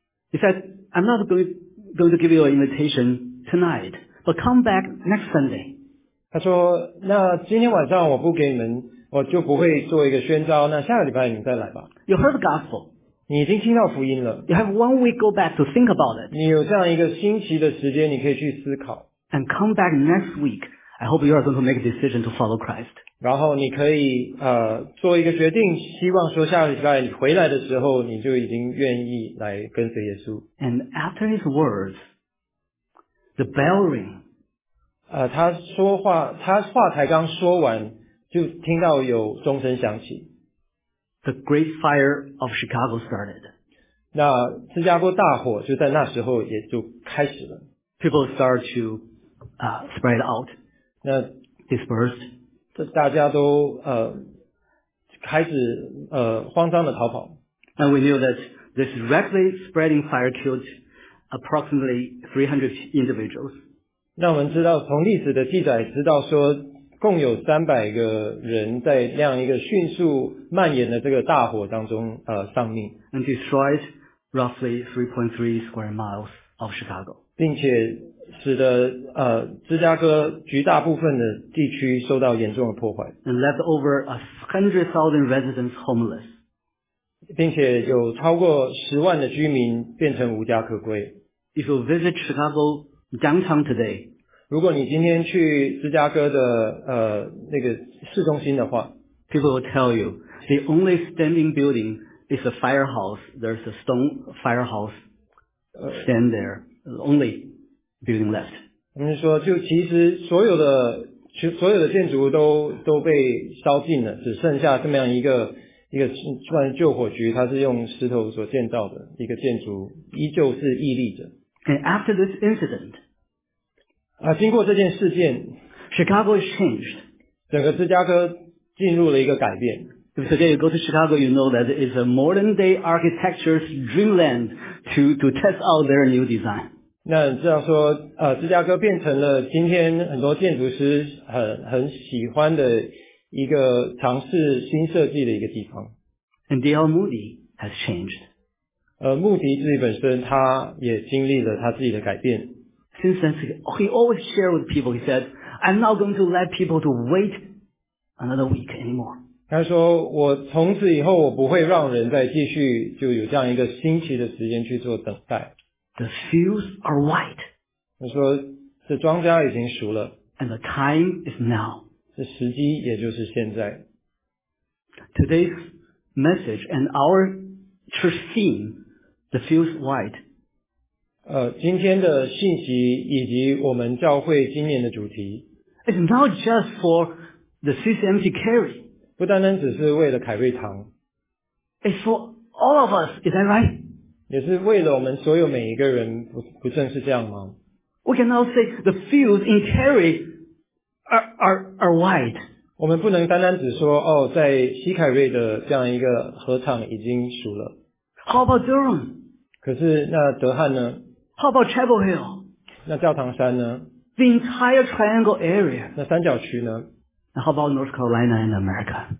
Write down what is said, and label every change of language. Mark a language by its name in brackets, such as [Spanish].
[English] He said, I'm not going to give you an invitation tonight, but come back next Sunday. [Chinese] 他说那今天晚上我不给你们我就不会做一个宣召那下个礼拜你们再来吧。 [English] You heard the gospel. [Chinese] 你已经听到福音了。 [English] You have 1 week go back to think about it. [Chinese] 你有这样一个星期的时间你可以去思考。 [English] And come back next week. I hope you are going to make a decision to follow Christ. [Chinese] 然后你可以做一个决定希望说下个礼拜你回来的时候你就已经愿意来跟随耶稣。 [English] And after his words, the bell ring. [Chinese] 他话才刚说完就听到有钟声响起。 [English] The Great Fire of Chicago started. [Chinese] 那芝加哥大火就在那时候也就开始了。 [English] People start to spread out. 那 dispersed. [Chinese] 大家都开始慌张的逃跑。 [English] And we knew that this rapidly spreading fire killed approximately 300 individuals. [Chinese] 那我们知道从历史的记载知道说共有300个人在那样一个迅速蔓延的这个大火当中丧命 [English] and destroyed roughly 3.3 square miles of Chicago [Chinese] 并且使得芝加哥绝大部分的地区受到严重的破坏 [English] and left over 100,000 residents homeless [Chinese] 并且有超过10万的居民变成无家可归 [English] If you visit Chicago downtown today [Chinese] 如果你今天去芝加哥的那个市中心的话 [English] People will tell you the only standing building is a firehouse there's a stone firehouse stand there the only building left [Chinese] 他们说就其实所有的建筑都被烧尽了只剩下这么样一个算救火局它是用石头所建造的一个建筑依旧是屹立着 [English] And after this incident [Chinese] 经过这件事件 [English] Chicago has changed [Chinese] 整个芝加哥进入了一个改变 [English] If today you go to Chicago you know that it's a modern day architecture's dreamland to test out their new design [Chinese] 那这样说芝加哥变成了今天很多建筑师很喜欢的一个尝试新设计的一个地方 [English] And D.L. Moody has changed [Chinese] 穆迪自己本身他也经历了他自己的改变 [English] Since then, he always shared with people, he said, I'm not going to let people to wait another week anymore. [Chinese] 他说我从此以后我不会让人再继续就有这样一个星期的时间去做等待。 [English] The fields are white. [Chinese] 他说这庄稼已经熟了。 [English] And the time is now. [Chinese] 这时机也就是现在。 [English] Today's message and our church theme, the fields white, [Chinese] 今天的信息以及我们教会今年的主题 [English] It's not just for the CCMC Carey [Chinese] 不单单只是为了凯瑞堂 [English] It's for all of us, is that right? [Chinese] 也是为了我们所有每一个人 不正是这样吗 [English] We cannot say the fields in Carey are white [Chinese] 我们不能单单只说哦，在西凯瑞的这样一个合场已经熟了 [English] How about Durham? [Chinese] 可是那德汉呢 [English] How about Chapel Hill? [Chinese] 那教堂山呢? [English] The entire triangle area. [Chinese] 那三角区呢? [English] And how about North Carolina and America?